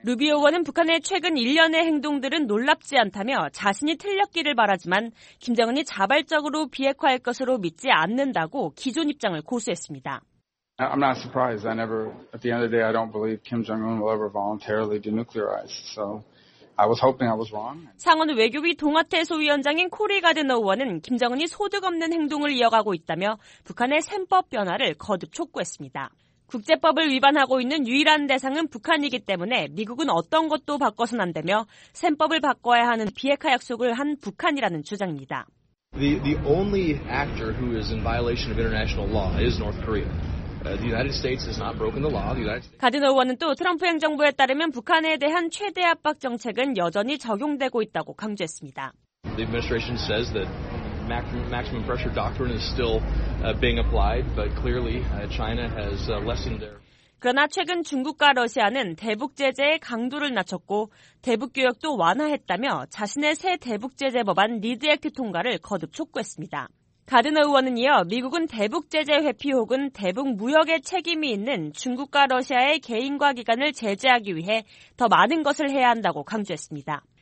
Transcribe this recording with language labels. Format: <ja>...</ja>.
<ko>루비오 의원은 북한의 최근 일련의 행동들은 놀랍지 않다며 자신이 틀렸기를 바라지만 김정은이 자발적으로 비핵화할 것으로 믿지 않는다고 기존 입장을 고수했습니다.</ko> <en>I'm not surprised. At the end of the day, I don't believe Kim Jong-un will ever voluntarily denuclearize. So I was hoping I was wrong.</en> <ko>상원 외교위 동아태 소위원장인 코리 가드너 의원은 김정은이 소득 없는 행동을 이어가고 있다며 북한의 셈법 변화를 거듭 촉구했습니다. 국제법을 위반하고 있는 유일한 대상은 북한이기 때문에 미국은 어떤 것도 바꿔선 안 되며 셈법을 바꿔야 하는 비핵화 약속을 한 북한이라는 주장입니다.</ko> <en>The only actor who is in violation of international law is North Korea. The United States has not broken the law.</en> <ko>가드너 의원은 또 트럼프 행정부에 따르면 북한에 대한 최대 압박 정책은 여전히 적용되고 있다고 강조했습니다.</ko> <en>The administration says that maximum pressure doctrine is still being applied, but clearly China has lessened their.</en> <ko>그러나 최근 중국과 러시아는 대북 제재의 강도를 낮췄고 대북 규격도 완화했다며 자신의 새 대북 제재 법안 리드 액트 통과를 거듭 촉구했습니다. 가드너 의원은 이어 미국은 대북 제재 회피 혹은 대북 무역에 책임이 있는 중국과 러시아의 개인과 기관을 제재하기 위해 더 많은 것을 해야 한다고 강조했습니다.</ko>